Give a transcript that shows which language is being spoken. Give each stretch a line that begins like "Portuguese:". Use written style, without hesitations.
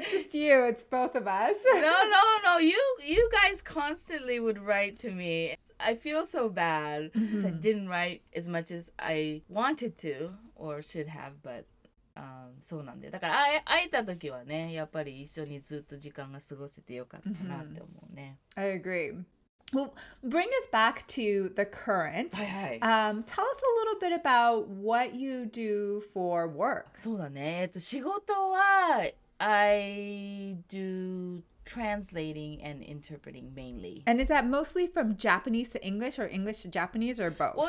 English: No, that's just you, it's both of us. No. You guys constantly would write to me. I feel so bad that I didn't write as much as I wanted to or should have, but...
Japanese: そうなんだよ。だから会えた時はね、やっぱり一緒にずっと時間が過ごせてよかったなって思うね。
English: Mm-hmm. I agree. Well, bring us back to the current.
Japanese: はいはい。
English: Tell us a little bit about what you do for work.
Japanese: そうだね。仕事は、
English: I do translating and interpreting mainly. And is that mostly from Japanese to English or English to Japanese or both?